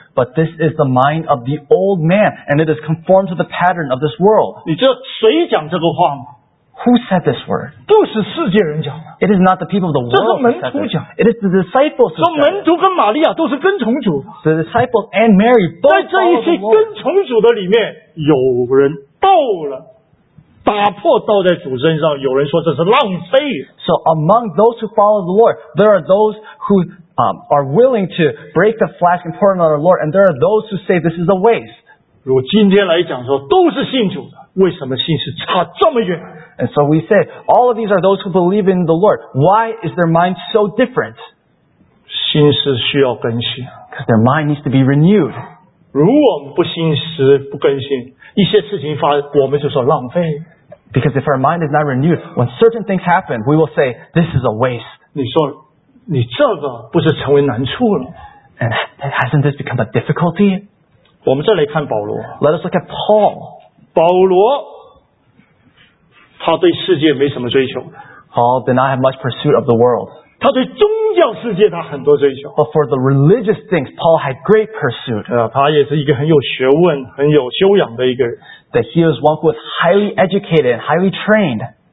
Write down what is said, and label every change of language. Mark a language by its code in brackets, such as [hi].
[en] But this is the mind of the old man, and it is conformed to the pattern of this world. [zh] 你知道谁讲这个话吗? [en] Who said this word? [zh] 不是世界人讲的。 [en] It is not the people of the world. [zh] 这是门徒讲。 [en] It is the disciples. [zh] 说门徒跟玛利亚都是跟从主的。 [en] The disciples and Mary both follow the Lord. [zh] 在这一些跟从主的里面，有人到了。打破倒在主身上，有人说这是浪费。 [en] So among those who follow the Lord, there are those who are willing to break the flask and pour it on the Lord, and there are those who say this is a waste. [zh] 如今天来讲说，都是信主的，为什么心思差这么远？ [en] And so we say, all of these are those who believe in the Lord. Why is their mind so different? [zh] 心思需要更新。 [en] Because their mind needs to be renewed. [zh] 如果我们不心思不更新，一些事情发，我们就说浪费。 [en] Because if our mind is not renewed, when certain things happen, we will say, this is a waste. [zh] 你说你这个不是成为难处了? [en] And hasn't this become a difficulty? [zh] 我们再来看保罗。 [en] Let us look at Paul. [zh] 保罗, 他对世界没什么追求。 [en] Paul did not have much pursuit of the world. [zh] 他对宗教世界他很多追求。 [en] But for the religious things, Paul had great pursuit. [zh] 他也是一个很有学问, 很有修养的一个人。 [en] That he was one who was highly educated and highly trained.